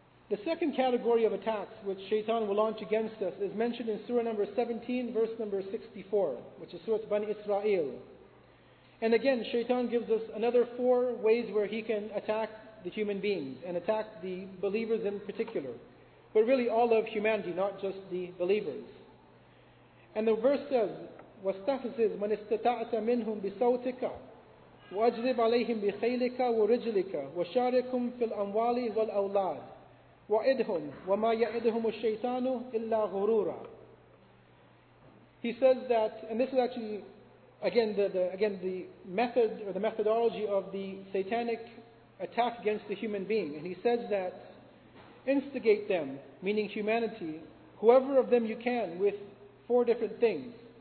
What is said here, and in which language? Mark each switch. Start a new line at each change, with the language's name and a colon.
English: The second category of attacks which Shaitan will launch against us is mentioned in Surah number 17, verse number 64, which is Surah Bani Israel. And again, Shaitan gives us another four ways where he can attack the human beings and attack the believers in particular, but really all of humanity, not just the believers.
Arabic: And the verse says, وَاسْتَفْزِزْ مَنِ اسْتَطَعْتَ مِنْهُمْ بِصَوْتِكَ وَأَجْلِبْ عَلَيْهِمْ بِخَيْلِكَ وَرِجْلِكَ وَشَارِكُمْ فِي الْأَمْوَالِ وَالْأَوْلَادِ وَإِدْهُمْ وَمَا يَعِدْهُمُ الشَّيْطَانُ إِلَّا غُرُورًا.
English: He says that, and this is actually, again, the method or the methodology of the satanic attack against the human being. And he says that, instigate them, meaning humanity, whoever of them you can, with four different things.